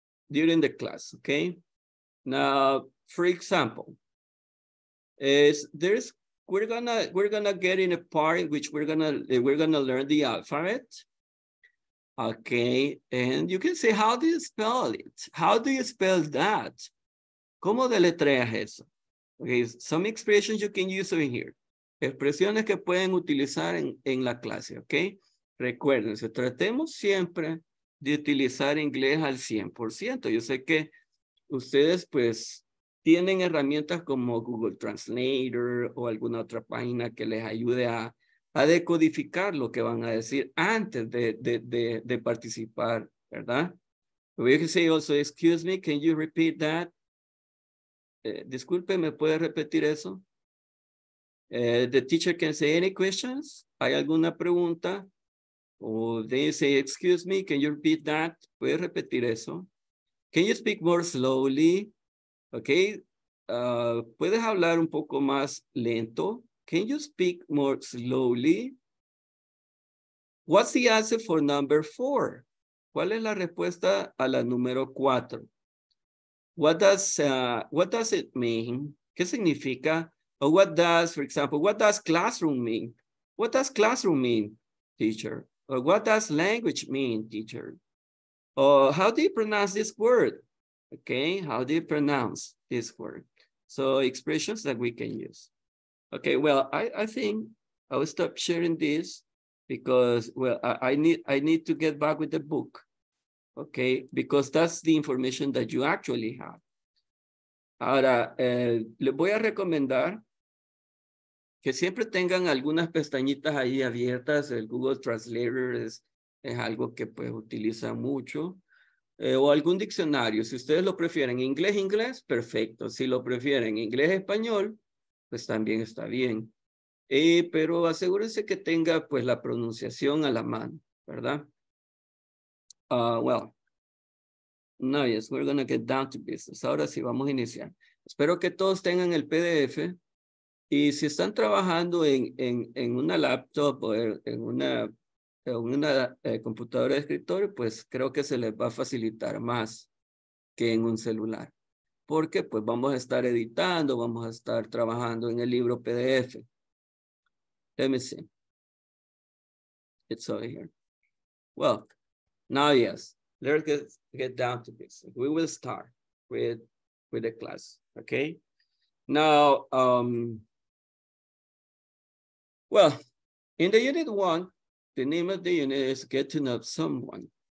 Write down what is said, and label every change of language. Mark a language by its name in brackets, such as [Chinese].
[English] During the class, okay? Now, for example, we're gonna get in a part in which we're gonna learn the alphabet. Okay, and you can say, how do you spell it? How do you spell that? [Spanish] ¿Cómo deletreas eso? [English] Okay, some expressions you can use over here. [Spanish] Expresiones que pueden utilizar en la clase, okay? Recuérdense, tratemos siempre de utilizar inglés al 100%. Yo sé que ustedes pues tienen herramientas como Google Translator o alguna otra página que les ayude a decodificar lo que van a decir antes de participar, ¿verdad? [English] We can say also, excuse me, can you repeat that? [Spanish] Disculpe, ¿me puede repetir eso? [English] The teacher can say, any questions? [Spanish] ¿Hay alguna pregunta? [English] Oh, they say, excuse me, can you repeat that? [Spanish] ¿Puedes repetir eso? [English] Can you speak more slowly? [Spanish] Okay, ¿puedes hablar un poco más lento? [English] Can you speak more slowly? What's the answer for number four? [Spanish] ¿Cuál es la respuesta a la número cuatro? [English] What does it mean? [Spanish] ¿Qué significa? [English] Or what does, for example, what does classroom mean? What does classroom mean, teacher? Or what does language mean, teacher? Or how do you pronounce this word? Okay, how do you pronounce this word? So expressions that we can use. Okay, well, I think I will stop sharing this because, well, I need to get back with the book. Okay, because that's the information that you actually have. [Spanish] Ahora, le voy a recomendar que siempre tengan algunas pestañitas ahí abiertas. El Google Translator es algo que pues utiliza mucho. O algún diccionario, si ustedes lo prefieren. Inglés, inglés, perfecto. Si lo prefieren, inglés, español, pues también está bien. Pero asegúrense que tenga pues la pronunciación a la mano, ¿verdad? [English] Well, no, yes, we're gonna get down to business. [Spanish] Ahora sí, vamos a iniciar. Espero que todos tengan el PDF. Y si están trabajando en una laptop o en una computadora de escritorio, pues creo que se les va a facilitar más que en un celular. Porque pues vamos a estar editando, vamos a estar trabajando en el libro PDF. [English] Let me see. It's over here. Well, now yes, let's get down to this. We will start with the class, okay? Now, well, in the unit one, the name of the unit is Get to Know Someone.